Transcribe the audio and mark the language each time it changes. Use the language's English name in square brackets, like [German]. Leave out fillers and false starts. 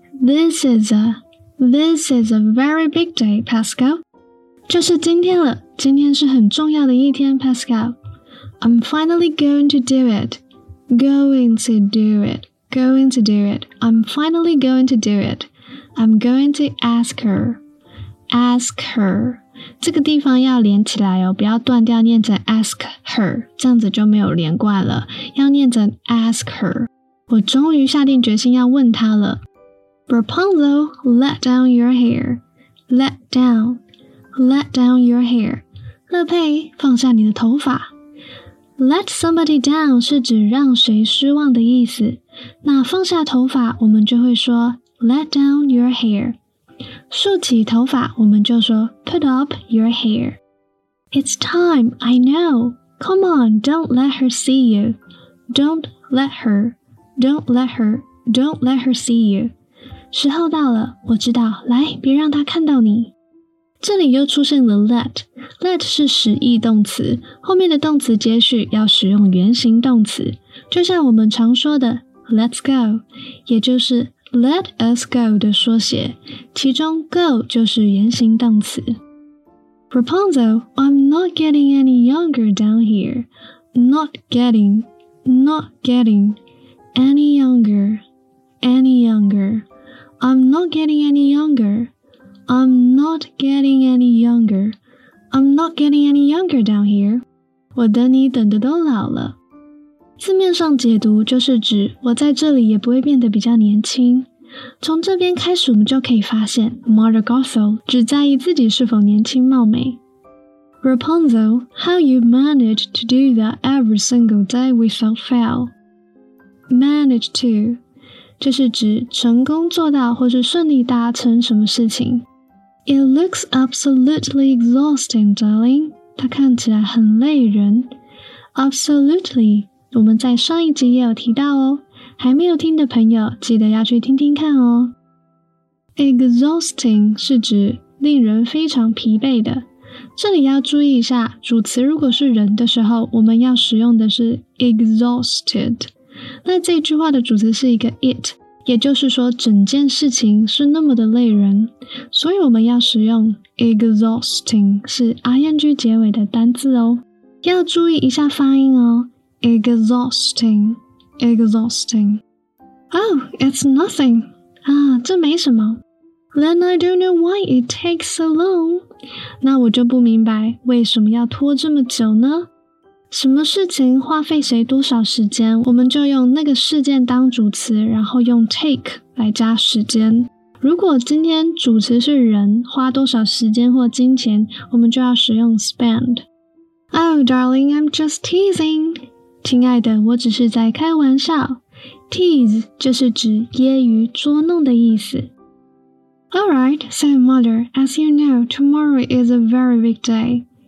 [English] This is a very big day, Pascal. [Chinese] 这是今天了，今天是很重要的一天 ,Pascal. [English] I'm finally going to do it. Going to do it. Going to do it. I'm finally going to do it. I'm going to ask her. Ask her. [Chinese] 这个地方要连起来哦，不要断掉，念成 [English] ask her， [Chinese] 这样子就没有连贯了，要念成 ask her。我终于下定决心要问她了。 [English] Rapunzel, let down your hair. Let down. Let down your hair. [Chinese] 乐佩，放下你的头发。 [English] Let somebody down [Chinese] 是指让谁失望的意思。那放下头发，我们就会说 [English] let down your hair。 [Chinese] 竖起头发，我们就说 [English] put up your hair. It's time, I know. Come on, don't let her see you. Don't let her. Don't let her. Don't let her see you. [Chinese] 时候到了，我知道，来，别让她看到你。这里又出现了 let. Let 是使役动词，后面的动词接续要使用原形动词，就像我们常说的 [English] let's go， [Chinese] 也就是 [English] Let us go [Chinese] 的缩写，其中 go 就是原形动词。 [English] Rapunzel, I'm not getting any younger down here. Not getting, not getting any younger, any younger. I'm not getting any younger. I'm not getting any younger. I'm not getting any younger down here. [Chinese] 我等你等的都老了。字面上解读就是指我在这里也不会变得比较年轻。从这边开始我们就可以发现 Mother Gothel 只在意自己是否年轻貌美。 [English] Rapunzel, how you manage to do that every single day without fail? [Chinese] Manage to 这是指成功做到或是顺利达成什么事情。 [English] It looks absolutely exhausting, darling. [Chinese] 它看起来很累人。 [English] Absolutely [Chinese] 我们在上一集也有提到哦，还没有听的朋友记得要去听听看哦。 Exhausting 是指令人非常疲惫的，这里要注意一下，主词如果是人的时候我们要使用的是 exhausted。那这句话的主词是一个 it， 也就是说整件事情是那么的累人，所以我们要使用 exhausting 是 ing 结尾的单字哦，要注意一下发音哦。 [English] exhaustingExhausting. Oh, it's nothing. [Chinese] 啊，这没什么。 [English] Then I don't know why it takes so long. [Chinese] 那我就不明白为什么要拖这么久呢？什么事情花费谁多少时间，我们就用那个事件当主词，然后用 take 来加时间。如果今天主词是人，花多少时间或金钱，我们就要使用 spend. [English] Oh, darling, I'm just teasing. [Chinese] 亲爱的，我只是在开玩笑。Tease 就是指揶揄、捉弄的意思。 [English] All right, so mother, as you know, tomorrow is a very big day.